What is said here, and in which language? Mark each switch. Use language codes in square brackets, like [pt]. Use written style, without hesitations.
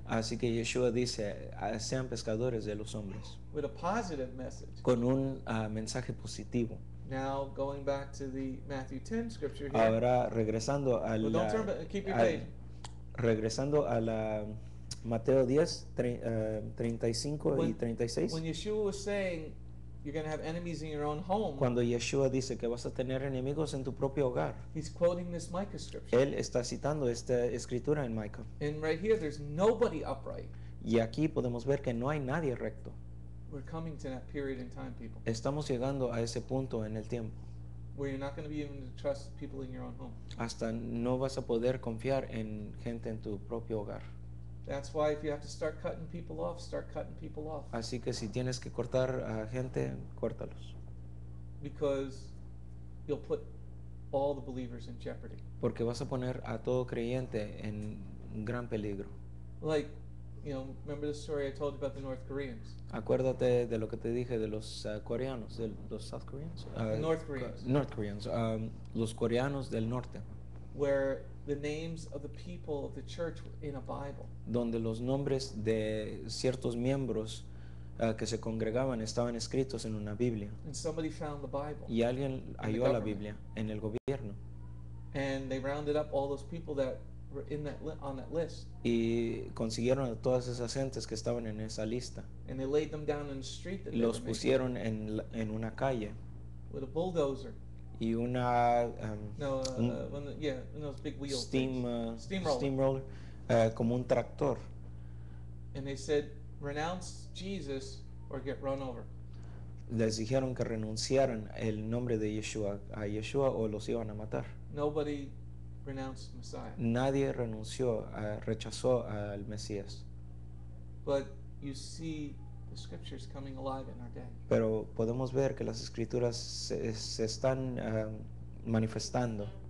[es] Así que Yeshua dice, sean pescadores de los hombres. [en] With a positive message. [es] Con un mensaje positivo. [en] Now going back to the Matthew 10 scripture here. [es] Ahora regresando al. [en] Well, don't turn, but keep your page. [es] Regresando a la Mateo 10, 35 y 36. [en] When Yeshua was saying, You're going to have enemies in your own home. [es] Cuando Yeshua dice que vas a tener enemigos en tu propio hogar. [en] He's quoting this Micah scripture. [es] Él está citando esta escritura en Micah. [en] And right here, there's nobody upright. [es] Y aquí podemos ver que no hay nadie recto. [en] We're coming to that period in time, people. [es] Estamos llegando a ese punto en el tiempo. [en] Where you're not going to be able to trust people in your own home. [es] Hasta no vas a poder confiar en gente en tu propio hogar. [en] That's why if you have to start cutting people off, start cutting people off. [es] Así que si tienes que cortar a gente, córtalos. [en] Because you'll put all the believers in jeopardy. [es] Porque vas a poner a todo creyente en gran peligro. [en] Like, you know, remember the story I told you about the North Koreans? [es] Acuérdate de lo que te dije de los coreanos, de los [en] South Koreans? North Koreans. [es] Los coreanos del norte. [en] Where the names of the people of the church were in a Bible. [es] Donde los nombres de ciertos miembros que se congregaban estaban escritos en una Biblia. [en] And somebody found the Bible. [es] Y alguien halló la Biblia en el gobierno. [en] And they rounded up all those people that were in that on that list. [es] Y consiguieron a todas esas gentes que estaban en esa lista. [en] And they laid them down in the street. [es] Y los pusieron en una calle. [en] With a bulldozer. [es] Y una [en] those big wheels. [es] Steamroller, como un tractor. [en] And they said, renounce Jesus or get run over. [es] Les dijeron que renunciaran el nombre de Yeshua a Yeshua o los iban a matar. [en] Nobody renounced Messiah. [es] Nadie renunció, rechazó al Mesías. [en] But you see the scriptures coming alive in our day. [es] Pero podemos ver que las escrituras se están manifestando.